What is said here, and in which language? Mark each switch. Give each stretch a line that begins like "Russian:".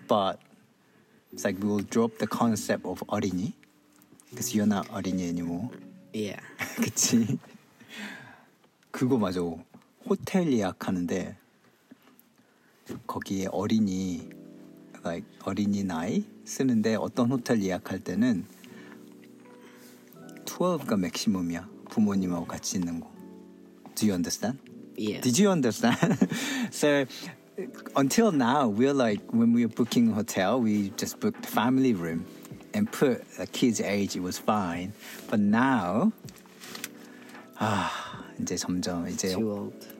English: But it's like we'll drop the concept of 어린이, because you're not 어린이 anymore. Yeah.
Korean: 그치? 그거 맞아. 호텔 예약하는데 거기에 어린이, like 어린이 나이 쓰는데 어떤 호텔 예약할 때는 12가 맥시멈이야. 부모님하고 같이 있는 거.
English: Do you understand? Yeah. Did you understand? So, until now, we're like, when we were booking a hotel, we just booked a family room and put a kid's age, it was fine. But now,
Korean: 아, 이제 점점, 이제,
English: too old.